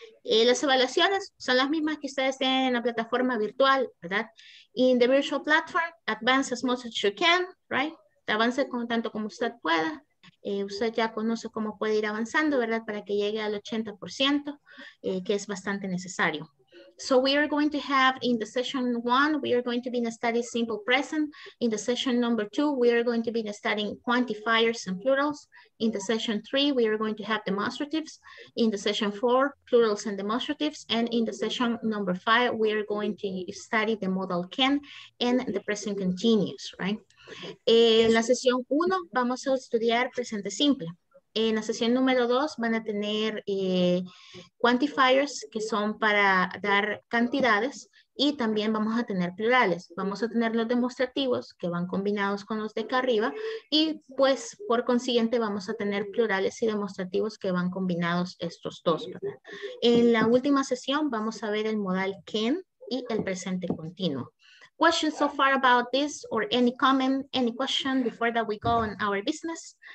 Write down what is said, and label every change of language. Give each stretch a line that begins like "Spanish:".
Spanish: Las evaluaciones son las mismas que ustedes tienen en la plataforma virtual, ¿verdad?
English: In the virtual platform, advance as much as you can, right?
Spanish: Avance con tanto como usted pueda. Usted ya conoce cómo puede ir avanzando, ¿verdad? Para que llegue al 80%, que es bastante necesario.
English: So we are going to have in the session one, we are going to be studying simple present. In the session number two, we are going to be studying quantifiers and plurals. In the session three, we are going to have demonstratives. In the session four, plurals and demonstratives. And in the session number five, we are going to study the modal can and the present continuous, right?
Spanish: En la sesión 1 vamos a estudiar presente simple. En la sesión número 2 van a tener quantifiers, que son para dar cantidades, y también vamos a tener plurales. Vamos a tener los demostrativos, que van combinados con los de acá arriba, y pues por consiguiente vamos a tener plurales y demostrativos que van combinados estos dos, ¿verdad? En la última sesión vamos a ver el modal can y el presente continuo.
English: Questions so far about this or any comment, any question before that we go on our business?